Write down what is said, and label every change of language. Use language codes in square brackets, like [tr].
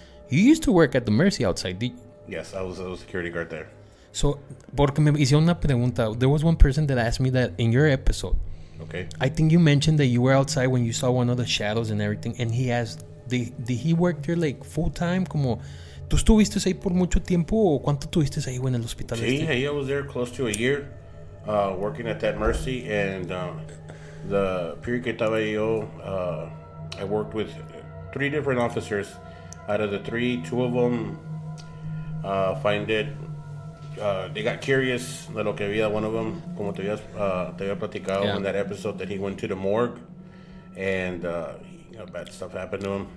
[en] You used to work at the Mercy outside. Yes, I was a security guard there. [es] So, porque me hicieron una pregunta. [en] There was one person that asked me that in your episode. Okay. I think you mentioned that you were outside when you saw one of the shadows and everything. And he asked, did he work there like full time? [es] Como, ¿tú estuviste ahí por mucho tiempo o cuánto tuviste ahí en el hospital? [en] Sí, I was there close to a year working at that Mercy. And the period [es] que estaba yo, [en] I worked with three different officers. Out of the three, two of them find it. They got curious [es] de lo que había, [en] one of them, [es] como te había platicado [en] in that episode, that he went to the morgue and bad stuff happened to him.